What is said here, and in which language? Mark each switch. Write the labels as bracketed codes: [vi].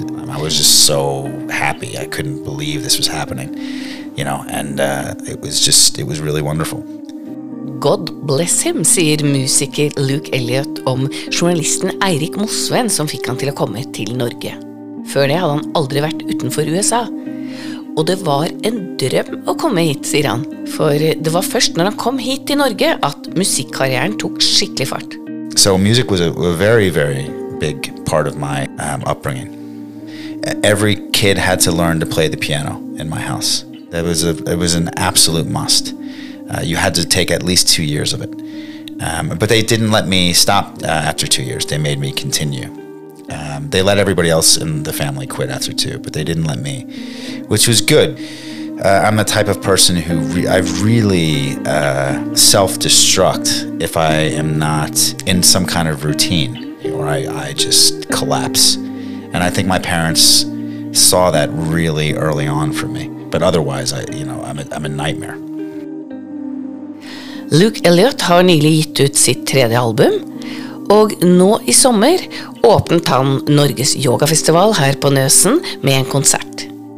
[en] I was just so happy. I couldn't believe this was happening, you know, and it was really wonderful. God bless him, [no] sier musiker Luke Elliott om journalisten Eirik Mosveen som fikk han til å komme til Norge. Før det hadde han aldri vært utenfor USA. Og det var en drøm å komme hit, sier han. For det var først når han kom hit til Norge at musikkarrieren tok skikkelig fart. [en] So music was a very, very big part of my upbringing. Every kid had to learn to play the piano in my house. It was an absolute must. You had to take at least 2 years of it. But they didn't let me stop after 2 years. They made me continue. They let everybody else in the family quit after two, but they didn't let me, which was good. I'm the type of person who I really self-destruct if I am not in some kind of routine, or I just collapse. And I think my parents saw that really early on for me. But otherwise, I'm a nightmare. [no] Luke Elliott har nylig gitt ut sitt tredje album, og nå I sommer åpnet han Norges yogafestival her på Nøsen med en konsert.